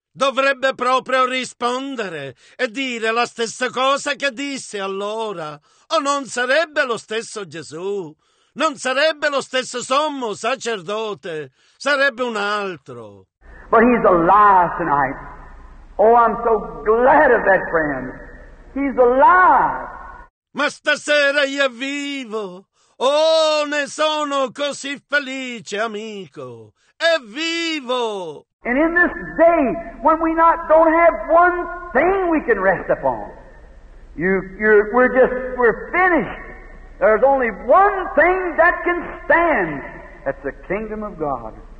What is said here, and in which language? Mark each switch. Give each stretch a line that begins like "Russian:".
Italian: Dovrebbe proprio rispondere e dire la stessa cosa che disse allora, o non sarebbe lo stesso Gesù, non sarebbe lo stesso sommo sacerdote, sarebbe un altro.
English: But he's alive tonight. Oh, I'm so glad of that, friend. He's alive.
Italian: Ma stasera io vivo. Oh, ne sono così felice, amico. È vivo.
English: And in this day when we don't have one thing we can rest upon, we're finished. There's only one thing that can stand. That's the kingdom of God.